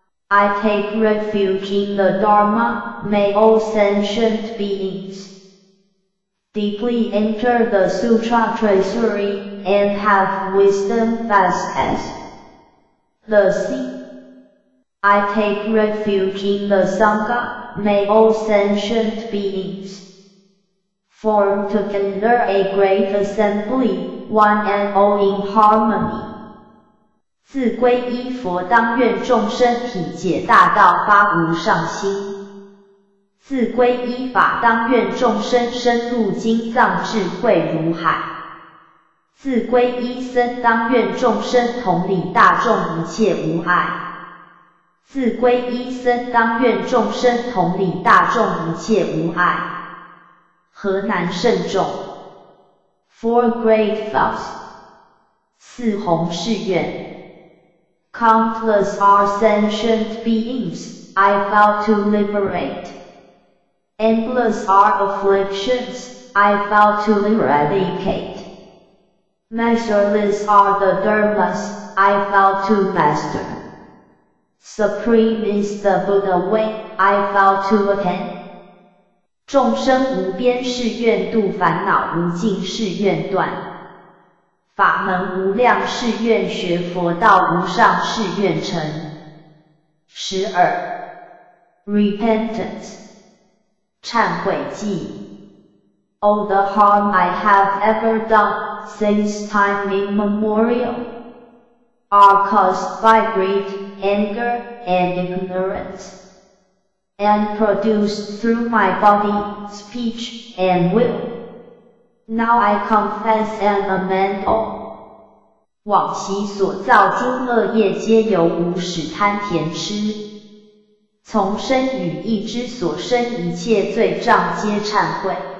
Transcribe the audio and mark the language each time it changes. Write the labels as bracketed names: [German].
[English] I take refuge in the Dharma, may all sentient beings deeply enter the Sutra treasury and have wisdom fast as the sea. I take refuge in the Sangha, may all sentient beings form together a great assembly, one and all in harmony. [Chinese] 自归依佛，当愿众生体解大道，发无上心。自归依法，当愿众生深入经藏，智慧如海。自归依僧，当愿众生同理大众，一切无碍。自归依僧，当愿众生同理大众，一切无碍。何难甚众 [English] ？Four great vows， [Chinese] 四弘誓愿。 [English] Countless are sentient beings I vow to liberate. Endless are afflictions I vow to eradicate. Measureless are the dharmas I vow to master. Supreme is the Buddha way I vow to attain. [Chinese] 众生无边誓愿度，烦恼无尽誓愿断。法门无量誓愿学，佛道无上誓愿成。十二 [English] ，repentance， [Chinese] 忏悔记。 [English] All the harm I have ever done since time immemorial are caused by greed, anger, and ignorance, and produced through my body, speech, and will. Now I confess and amend all. [Chinese] 往昔所造诸恶业，皆由无始贪甜痴。从身与意之所生一切罪障，皆忏悔。